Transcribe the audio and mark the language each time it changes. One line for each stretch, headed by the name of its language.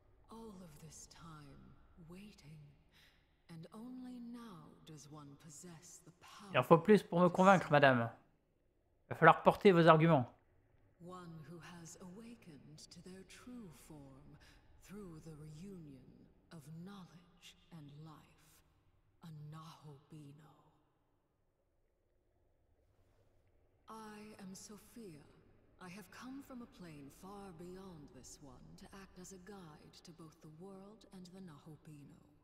English: All of this time, waiting, and only now does one possess the.
French: Il en faut plus pour me convaincre, madame. Il va falloir porter vos arguments.
English: One who has awakened to their true form through the reunion of knowledge and life. A Nahobino. I am Sophia. I have come from a plane far beyond this one to act as a guide to both the world and the Nahobino.